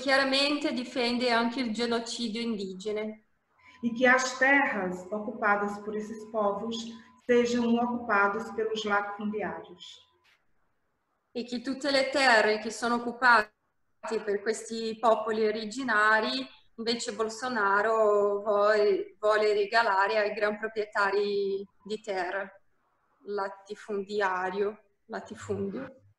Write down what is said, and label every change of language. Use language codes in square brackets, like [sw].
[it] chiaramente difende anche il genocidio indigene. [pt] E que as terras ocupadas por esses povos sejam ocupadas pelos latifundiários. [it] E che tutte le terre che sono occupate per questi popoli originari, invece Bolsonaro vuole regalare ai gran proprietari di terra, latifundiario, latifundio.